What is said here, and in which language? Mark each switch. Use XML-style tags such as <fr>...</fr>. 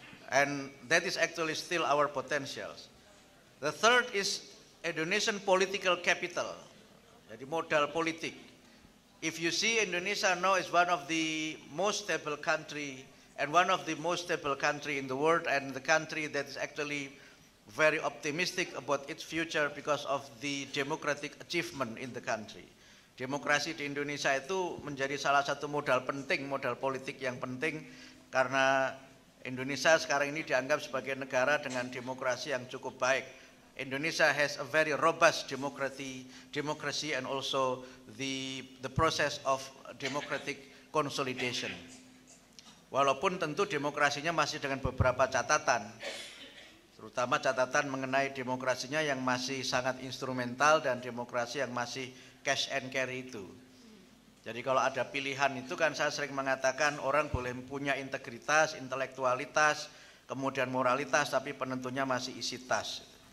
<en>And that is actually still our potential. The third is Indonesian political capital, the</en> <id>modal politik.</id> <en>If you see Indonesia now is one of the most stable country and one of the most stable country in the world and the country that is actually very optimistic about its future because of the democratic achievement in the country.</en> <id>Demokrasi di Indonesia itu menjadi salah satu modal penting, modal politik yang penting karena Indonesia sekarang ini dianggap sebagai negara dengan demokrasi yang cukup baik.</id> <en>Indonesia has a very robust democracy and also the process of democratic consolidation.</en> <id>Walaupun tentu demokrasinya masih dengan beberapa catatan, terutama catatan mengenai demokrasinya yang masih sangat instrumental dan demokrasi yang masih</id> <en>cash and carry</en> <id>itu. Jadi kalau ada pilihan itu kan saya sering mengatakan orang boleh punya integritas, intelektualitas, kemudian moralitas, tapi penentunya masih isi tas.</id>